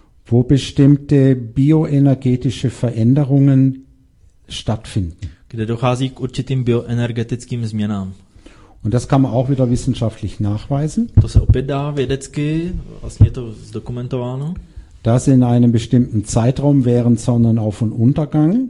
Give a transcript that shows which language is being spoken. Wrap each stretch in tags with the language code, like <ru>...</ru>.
<de>Wo bestimmte bioenergetische Veränderungen stattfinden.</de> <cs>Kde dochází k určitým bioenergetickým změnám.</cs> <de>Und das kann man auch wieder wissenschaftlich nachweisen.</de> <cs>To se opět dá vědecky, vlastně je to zdokumentováno.</cs> <de>Dass in einem bestimmten Zeitraum während Sonnenauf- und Untergang.</de>